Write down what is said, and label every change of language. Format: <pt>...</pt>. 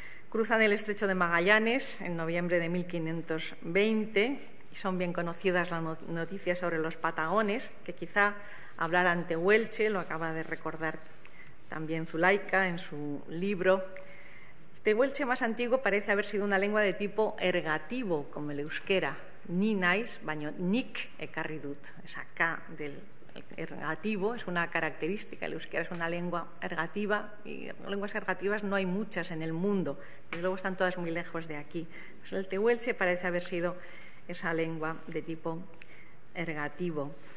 <es>Cruzan el estrecho de Magallanes en noviembre de 1520, y son bien conocidas las noticias sobre los patagones, que quizá hablar ante Huelche, lo acaba de recordar también Zulaika en su libro. Tehuelche más antiguo parece haber sido una lengua de tipo ergativo, como el euskera.</es> <eu>Ni naiz, baino nik ekarri dut.</eu> <es>Esa K del ergativo es una característica. El euskera es una lengua ergativa y lenguas ergativas no hay muchas en el mundo. Desde luego están todas muy lejos de aquí. Pues el tehuelche parece haber sido esa lengua de tipo ergativo.</es>